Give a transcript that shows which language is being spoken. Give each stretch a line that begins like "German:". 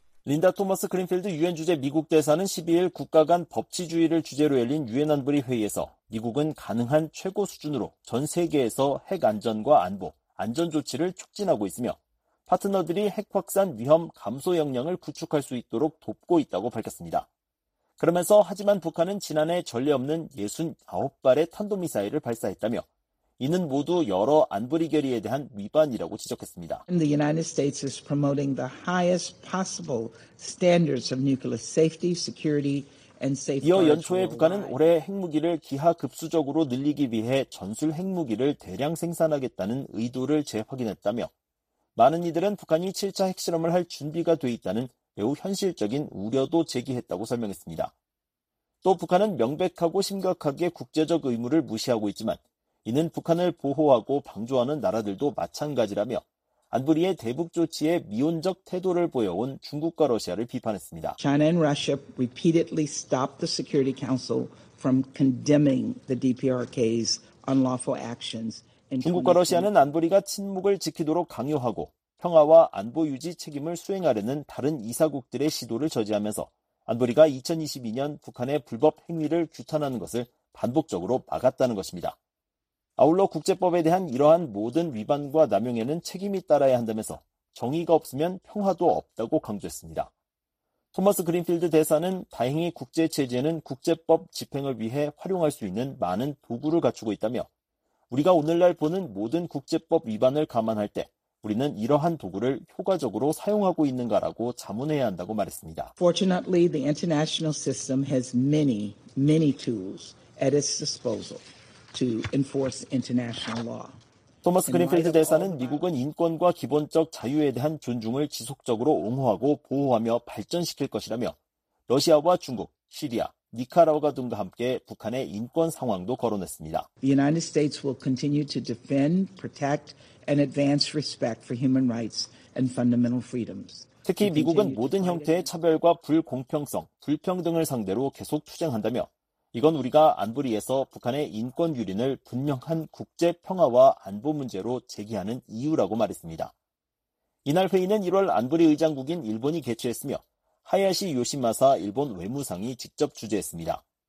Korean: 린다 토마스 그린필드 유엔 주재 미국 대사는 12일 국가 간 법치주의를 주제로 열린 유엔 안보리 회의에서 미국은 가능한 최고 수준으로 전 세계에서 핵 안전과 안보, 안전조치를 촉진하고 있으며 파트너들이 핵 확산 위험 감소 역량을 구축할 수 있도록 돕고 있다고 밝혔습니다. 그러면서 하지만 북한은 지난해 전례 없는 69발의 탄도미사일을 발사했다며 이는 모두 여러 안보리 결의에 대한 위반이라고 지적했습니다.
English: The United States is promoting the highest possible standards of nuclear safety, security, and safeguards.
Korean: 이어 연초에 북한은 올해 핵무기를 기하급수적으로 늘리기 위해 전술 핵무기를 대량 생산하겠다는 의도를 재확인했다며 많은 이들은 북한이 7차 핵실험을 할 준비가 돼 있다는 매우 현실적인 우려도 제기했다고 설명했습니다. 또 북한은 명백하고 심각하게 국제적 의무를 무시하고 있지만 이는 북한을 보호하고 방조하는 나라들도 마찬가지라며 안보리의 대북 조치에 미온적 태도를 보여온 중국과 러시아를 비판했습니다.
English: China and Russia repeatedly stopped the Security Council from condemning the DPRK's unlawful actions.
Korean: 중국과 러시아는 안보리가 침묵을 지키도록 강요하고 평화와 안보 유지 책임을 수행하려는 다른 이사국들의 시도를 저지하면서 안보리가 2022년 북한의 불법 행위를 규탄하는 것을 반복적으로 막았다는 것입니다. 아울러 국제법에 대한 이러한 모든 위반과 남용에는 책임이 따라야 한다면서 정의가 없으면 평화도 없다고 강조했습니다. 토마스 그린필드 대사는 다행히 국제체제는 국제법 집행을 위해 활용할 수 있는 많은 도구를 갖추고 있다며 우리가 오늘날 보는 모든 국제법 위반을 감안할 때 우리는 이러한 도구를 효과적으로 사용하고 있는가라고 자문해야 한다고 말했습니다.
English: Fortunately, the international system has many, many tools at its disposal. To enforce international law.
Korean: 토마스 그린필드 대사는 미국은 인권과 기본적 자유에 대한 존중을 지속적으로 옹호하고 보호하며 발전시킬 것이라며 러시아와 중국, 시리아, 니카라과 등과 함께 북한의 인권 상황도 거론했습니다.
English: The United States will continue to defend, protect, and advance respect for human rights and fundamental freedoms.
Korean: 특히 미국은 모든 형태의 차별과 불공평성, 불평등을 상대로 계속 투쟁한다며 이건 우리가 안보리에서 북한의 인권 유린을 분명한 국제 평화와 안보 문제로 제기하는 이유라고 말했습니다. 이날 회의는 1월 안보리 의장국인 일본이 개최했으며 하야시 요시마사 일본 외무상이 직접 주재했습니다.